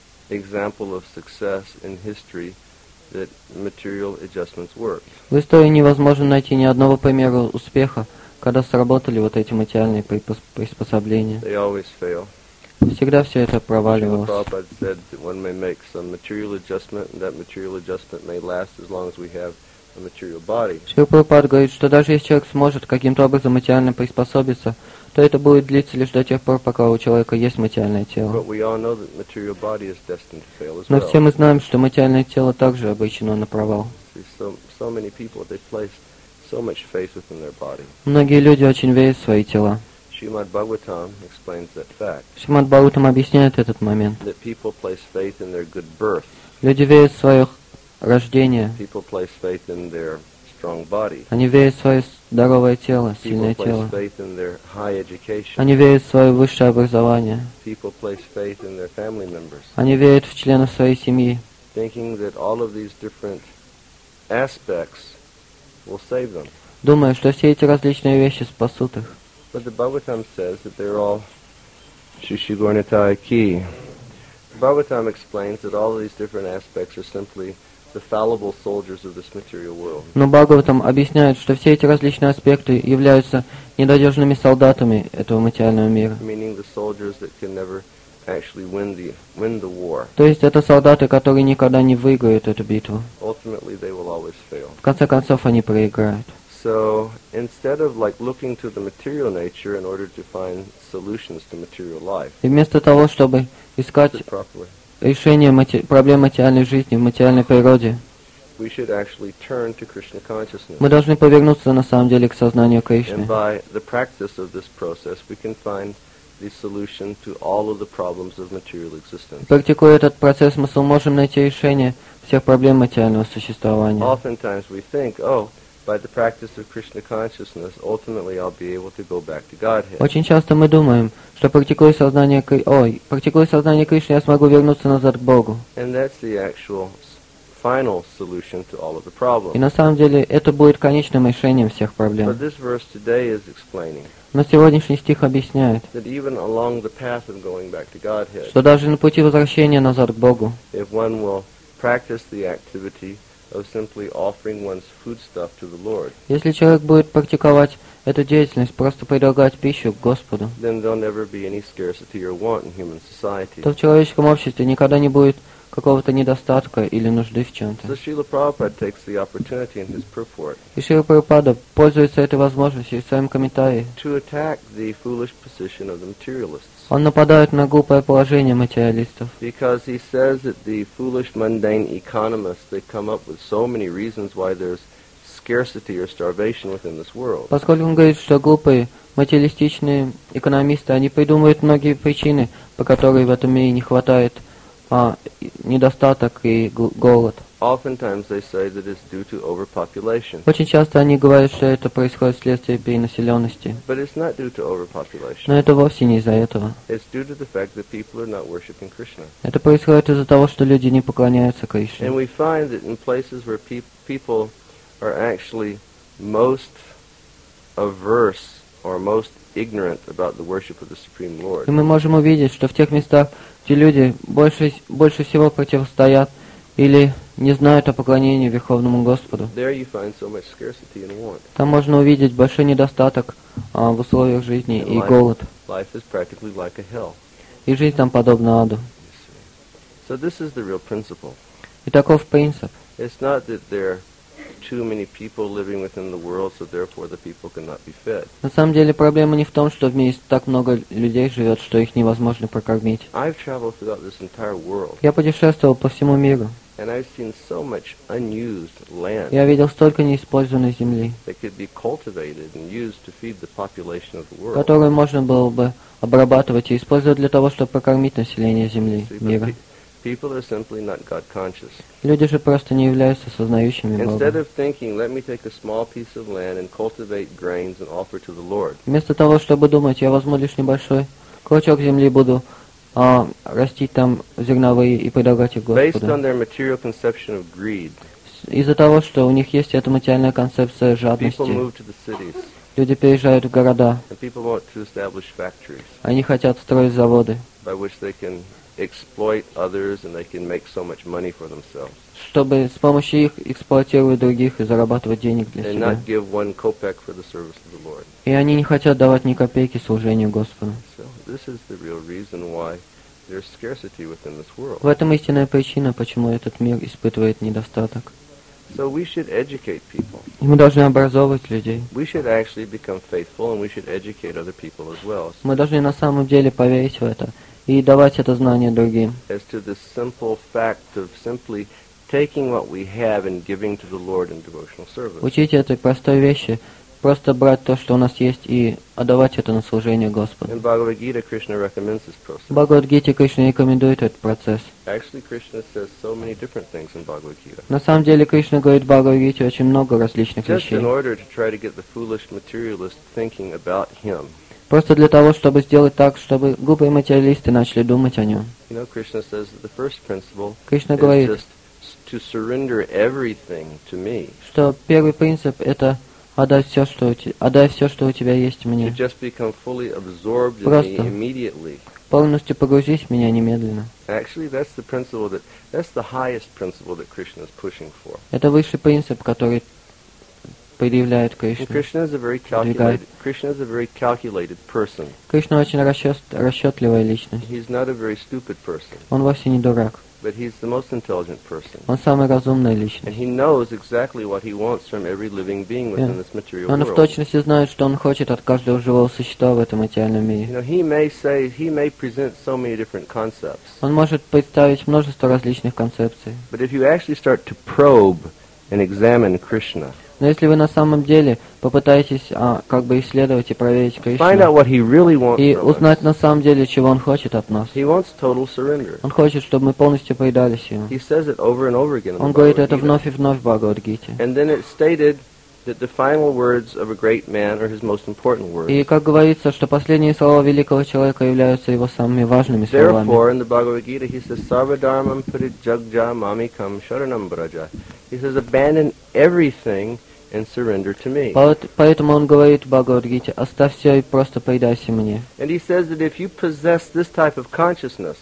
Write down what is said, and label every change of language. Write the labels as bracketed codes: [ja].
[en] Example of success in history that material adjustments worked. [ru] В истории невозможно найти ни одного примера успеха, когда сработали вот эти материальные приспособления. [en] They always fail. [ru] всегда все это проваливалось. [en] Prabhupada said that one may make some material adjustment, and that material adjustment may last as long as we have a material body. [ru] Шрила Прабхупада говорит, что даже если человек сможет каким-то образом материально приспособиться, то это будет длиться лишь до тех пор, пока у человека есть материальное тело. [en] But we all know that material body is destined to fail as well. [ru] Но все мы знаем, что материальное тело также обречено на провал. [en] So many people, they place so much faith within their body. [ru] Многие люди очень верят в свои тела. [en] Shrimad Bhagavatam explains that fact. [ru] Shrimad Bhagavatam объясняет этот момент. [en] That people place faith in their good birth. [ru] Люди верят в свое рождение. [en] People place faith in their strong body. [ru] Они верят в свое здоровое тело, сильное тело. [en] People place faith in their high education. [ru] Они верят в свое высшее образование. [en] People place faith in their family members. [ru] Они верят в членов своей семьи. [en] Thinking that all of these different aspects will save them. [ru] Думая, что все эти различные вещи спасут их. [en] But the Bhagavatam says that they're all shishigornitaiki. Bhagavatam explains that all of these different aspects are simply the fallible soldiers of this material world. [ru] Но Бхагаватам объясняет, что все эти различные аспекты являются ненадежными солдатами этого материального мира. [en] Meaning the soldiers that can never actually win the war. [ru] То есть это солдаты, которые никогда не выиграют эту битву. [en] Ultimately, they will always fail. [ru] В конце концов, они проиграют. [en] So instead of like looking to the material nature in order to find solutions to material life, [ru] вместо того чтобы искать решение проблем материальной жизни в материальной природе, [en] we should actually turn to Krishna consciousness. [ru] Мы должны повернуться на самом деле к сознанию Кришны. [en] And by the practice of this process, we can find the solution to all of the problems of material existence. [ru] Практикуя этот процесс, мы сможем найти решение всех проблем материального существования. [en] Oftentimes we think, oh. By the practice of Krishna consciousness, ultimately I'll be able to go back to Godhead. [ru] Очень часто мы думаем, что практикуя сознание Кришны, я смогу вернуться назад к Богу. [en] And that's the actual final solution to all of the problems. [ru] И на самом деле это будет конечным решением всех проблем. [en] But this verse today is explaining. [ru] Но сегодняшний стих объясняет, [en] that even along the path of going back to Godhead, [ru] что даже на пути возвращения назад к Богу, [en] if one will practice the activity of simply offering one's foodstuff to the Lord. [ru] Если человек будет практиковать эту деятельность, просто предлагать пищу к Господу, [en] then there'll never be any scarcity or want in human society. [ru] То в человеческом обществе никогда не будет какого-то недостатка или нужды в чем-то. [en] So Srila Prabhupada takes the opportunity in his purport. [ru] И Шрила Прабхупада пользуется этой возможностью в своем комментарии. [en] To attack the foolish position of the materialists. [ru] Он нападает на глупое положение материалистов. [en] Because he says that the foolish mundane economists, they come up with so many reasons why there's scarcity or starvation within this world. [ru] Поскольку он говорит, что глупые материалистичные экономисты, они придумывают многие причины, по которым в этом мире не хватает недостаток и голод. [en] Oftentimes they say that it's due to overpopulation. [ru] Очень часто они говорят, что это происходит вследствие перенаселенности. [en] But it's not due to overpopulation. [ru] Но это вовсе не из-за этого. [en] It's due to the fact that people are not worshiping Krishna. [ru] Это происходит из-за того, что люди не поклоняются Кришне. [en] And we find that in places where people are actually most averse or most ignorant about the worship of the Supreme Lord. [ru] И мы можем увидеть, что в тех местах, где люди больше всего противостоят или не знают о поклонении Верховному Господу, [en] there you find so much scarcity and want. [ru] Там можно увидеть большой недостаток в условиях жизни [en] and [ru] и голод. [en] Life is practically like a hell. [ru] И жизнь там подобна аду. [en] So this is the real principle. [ru] И таков принцип. [en] It's not that there are too many people living within the world, so therefore the people cannot be fed. [ru] На самом деле проблема не в том, что в мире так много людей живет, что их невозможно прокормить. [en] I've traveled throughout this entire world. [ru] Я путешествовал по всему миру. [en] And I've seen so much unused land. [ru] Я видел столько неиспользованной земли. [en] That could be cultivated and used to feed the population of the world. [ru] Которую можно было бы обрабатывать и использовать для того, чтобы прокормить население земли мира. [en] People are simply not God conscious. [ru] Люди же просто не являются сознающими Бога. [en] Instead of thinking, let me take a small piece of land and cultivate grains and offer to the Lord. [ru] Вместо того, чтобы думать, я возьму лишь небольшой клочок земли, буду растить там зерновые и предлагать их Господу. [en] Based on their material conception of greed. [ru] Из-за того, что у них есть эта материальная концепция жадности. [en] People move to the cities. [ru] Люди переезжают в города. [en] And people want to establish factories. [ru] Они хотят строить заводы. [en] By which they can exploit others and they can make so much money for themselves. [ru] чтобы с помощью их эксплуатировать других и зарабатывать денег для себя. [en] Not give one kopeck for the service of the Lord. [ru] И они не хотят давать ни копейки служению Господу. [en] So this is the real reason why there's scarcity within this world. [ru] В этом истинная причина, почему этот мир испытывает недостаток. [en] So we should educate people. [ru] И мы должны образовывать людей. [en] We should actually become faithful, and we should educate other people as well. [ru] Мы должны на самом деле поверить в это и давать это знание другим. [en] As to the simple fact of simply taking what we have and giving to the Lord in devotional service. [ru] Учить этой простой вещи, просто брать то, что у нас есть, и отдавать это на служение Господу. [en] In Bhagavad Gita, Krishna recommends this process. [ru] Bhagavad Gita, Krishna рекомендует этот процесс. [en] Actually, Krishna says so many different things in Bhagavad Gita. [ru] На самом деле, Кришна говорит в Бхагавад Гите очень много различных [en] Just [ru] вещей. [en] In order to try to get the foolish materialist thinking about him. [ru] Просто для того, чтобы сделать так, чтобы глупые материалисты начали думать о нем. [en] You know, Krishna says that the first principle [ru] Krishna говорит, [en] is just to surrender everything to me. [ru] Что первый принцип – это отдай все, что у тебя есть мне. [en] You just become fully absorbed [ru] Просто [en] in me immediately. [ru] Полностью погрузись в меня немедленно. [en] Actually, that's the principle that, that's the highest principle that Krishna is pushing for. [ru] Это высший принцип, который предъявляет Кришна. [en] Krishna is a very calculated person. [ru] Кришна очень расчетливая личность. [en] He's not a very stupid person. [ru] Он вовсе не дурак. [en] But he's the most intelligent person. [ru] Он самая разумная личность. [en] And he knows exactly what he wants from every living being within this material world. [ru] Он в точности знает, что он хочет от каждого живого существа в этом материальном мире. [en] You know, he may say, he may present so many different concepts. [ru] Он может представить множество различных концепций. [en] But if you actually start to probe and examine Krishna. [ru] Но если вы на самом деле попытаетесь как бы исследовать и проверить Кришну [en] Find out what he really wants [ru] и узнать на самом деле, чего Он хочет от нас. [en] He wants total surrender. [ru] Он хочет, чтобы мы полностью предались Ему. [en] He says it over and over again [ru] Он говорит это вновь и вновь в Бхагавад-гите. [en] And then it's stated that the final words of a great man are his most important words. [ru] И как говорится, что последние слова великого человека являются его самыми важными [en] Therefore, [ru] словами. [en] Therefore, in the Bhagavad Gita, he says, [sa] "Sarva dharmam puritjagja mami kam sharanam braja." [en] He says, "Abandon everything and surrender to me." [ru] Поэтому он говорит в Бхагавад Гите, оставь все и просто предайся мне. [en] And he says that if you possess this type of consciousness,